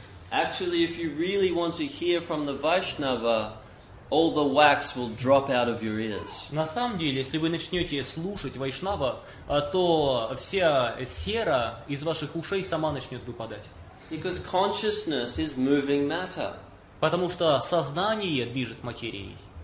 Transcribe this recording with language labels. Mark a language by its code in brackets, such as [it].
[en] Actually, if you really want to hear from the Vaishnava, all the wax will drop out of your ears. [ru] На самом деле, если вы начнете слушать Вайшнава, то вся сера из ваших ушей сама начнет выпадать. [en] Because consciousness is moving matter. [ru] Потому что сознание движет материей.